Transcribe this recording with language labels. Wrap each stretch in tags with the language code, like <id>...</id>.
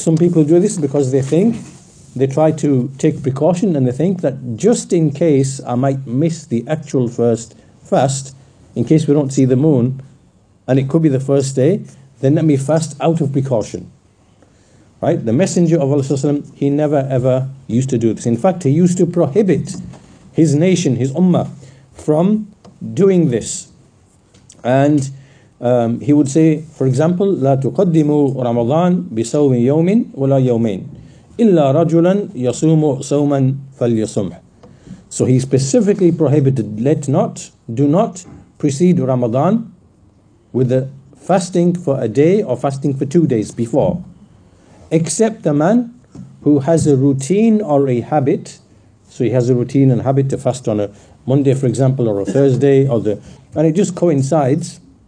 <en>Some people do this because they think, they try to take precaution and they think that just in case I might miss the actual first fast, in case we don't see the moon, and it could be the first day, then let me fast out of precaution. Right? The Messenger of Allah, he never ever used to do this. In fact, he used to prohibit his nation, his ummah, from doing this. And he would say, for example,</en> <ar>لا تقدموا رمضان بصوم يوم ولا يومين إلا رجلا يصوم صوما فليصوم.</ar> <en>So he specifically prohibited, do not precede Ramadan with a fasting for a day or fasting for 2 days before, except the man who has a routine or a habit. So he has a routine and habit to fast on a Monday, for example, or a Thursday, or the, and it just coincides.</en>